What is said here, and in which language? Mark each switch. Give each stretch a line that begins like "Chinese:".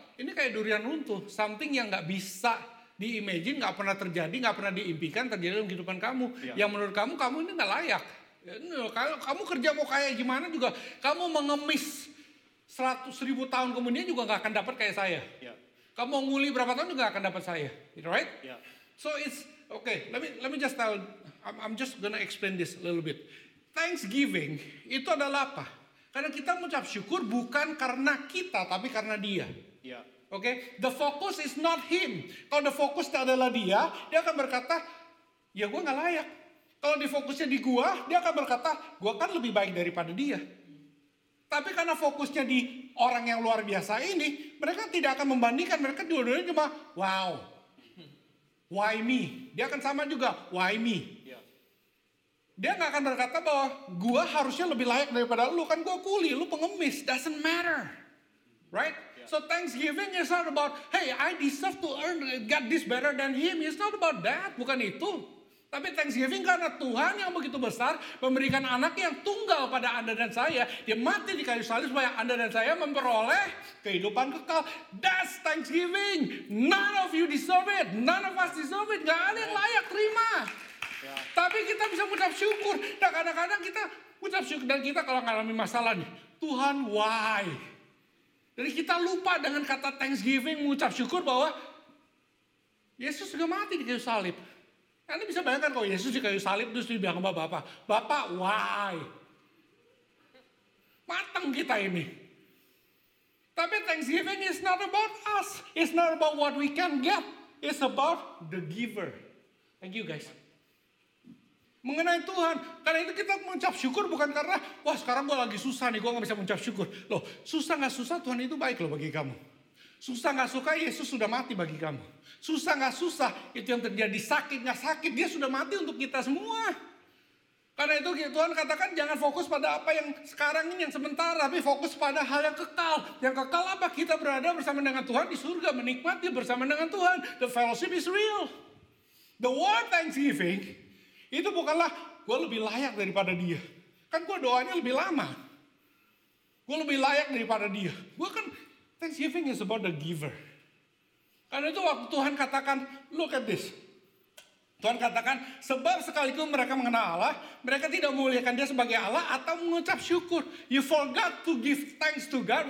Indonesian: Ini kayak durian runtuh. Something yang gak bisa diimagine, gak pernah terjadi, gak pernah diimpikan terjadi dalam kehidupan kamu. Yeah. Yang menurut kamu, kamu ini gak layak. Kalau kamu kerja mau kayak gimana juga, kamu mengemis 100.000 tahun kemudian juga gak akan dapat kayak saya.
English: Yeah.
Indonesian: Kamu nguli berapa tahun juga gak akan dapat saya.
English: Right? Yeah. So it's, okay, let me just tell, I'm just gonna explain this a little bit.
Indonesian: Thanksgiving itu adalah apa? Karena kita mengucap syukur bukan karena kita tapi karena dia.
English: Yeah. Okay? The focus is not him.
Indonesian: Kalau
English: the focus
Indonesian: adalah dia, dia akan berkata, ya gue nggak layak. Kalau difokusnya di gue, dia akan berkata, gue kan lebih baik daripada dia. Tapi karena fokusnya di orang yang luar biasa ini, mereka tidak akan membandingkan. Mereka dua-duanya cuma,
English: wow, why me?
Indonesian: Dia akan sama juga,
English: why me?
Indonesian: Dia gak akan berkata bahwa gue harusnya lebih layak daripada lu. Kan gue kuli, lu pengemis.
English: Doesn't matter. Right? Yeah. So Thanksgiving is not about, hey, I deserve to earn, get this better than him. It's not about that.
Indonesian: Bukan itu. Tapi Thanksgiving karena Tuhan yang begitu besar memberikan anak yang tunggal pada Anda dan saya. Dia mati di kayu salib supaya Anda dan saya memperoleh kehidupan kekal.
English: That's Thanksgiving. None of you deserve it. None of us deserve it.
Indonesian: Gak ada yang layak terima. Ya. Tapi kita bisa ucap syukur. Dan kadang-kadang kita ucap syukur. Dan kita kalau ngalami masalah nih, Tuhan, why? Jadi kita lupa dengan kata Thanksgiving, mengucap syukur bahwa Yesus juga mati di kayu salib. Anda bisa bayangkan kalau Yesus di kayu salib terus dia bilang sama Bapak, Bapak, why? Mateng kita ini.
English: Tapi Thanksgiving is not about us. It's not about what we can get. It's about the giver. Thank you guys.
Indonesian: Mengenai Tuhan, karena itu kita mengucap syukur bukan karena, wah sekarang gue lagi susah nih, gue gak bisa mengucap syukur. Loh, susah gak susah Tuhan itu baik loh bagi kamu. Susah gak suka Yesus sudah mati bagi kamu. Susah gak susah itu yang terjadi, sakit gak sakit, dia sudah mati untuk kita semua. Karena itu Tuhan katakan jangan fokus pada apa yang sekarang ini, yang sementara, tapi fokus pada hal yang kekal. Yang kekal apa? Kita berada bersama dengan Tuhan di surga, menikmati bersama dengan Tuhan.
English: The fellowship is real. The word thanksgiving,
Indonesian: itu bukanlah gue lebih layak daripada dia. Kan gue doanya lebih lama. Gue lebih layak daripada dia. Gue kan,
English: Thanksgiving is about the giver.
Indonesian: Karena itu waktu Tuhan katakan,
English: look at this.
Indonesian: Tuhan katakan, sebab sekalipun mereka mengenal Allah, mereka tidak memuliakan dia sebagai Allah atau mengucap syukur.
English: You forgot to give thanks to God.